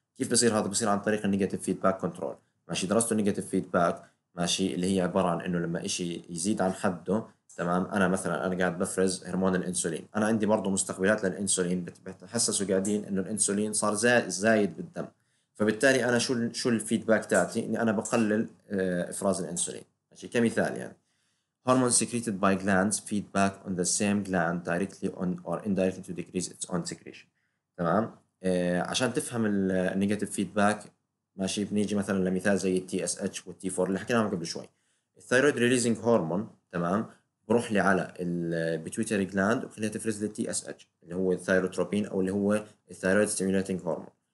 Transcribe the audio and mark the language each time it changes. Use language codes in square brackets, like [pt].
[ar] كيف بصير هذا؟ بصير عن طريق النيجاتيف فيدباك كنترول. ماشي، درست النيجاتيف فيدباك، ماشي، اللي هي عباره عن انه لما إشي يزيد عن حده، تمام، انا مثلا انا قاعد بفرز هرمون الانسولين، انا عندي برضه مستقبلات للانسولين بتحسسوا قاعدين انه الانسولين صار زايد بالدم، فبالتالي انا شو الفيدباك تاعتي؟ اني انا بقلل افراز الانسولين. ماشي، كمثال يعني [en] hormone secreted by glands feedback on the same gland directly on or indirectly to decrease its own secretion. [ar] تمام. عشان تفهم النيجاتيف فيدباك، ماشي، بنيجي مثلا لمثال زي TSH والT4 اللي حكيناهم قبل شوي. الثايرويد ريليزنج هرمون، تمام، بروح لي على البيتويتري جلاند وخليها تفرز لي TSH اللي هو الثايروتروبين او اللي هو الثايرويد ستيمولاتينج هرمون.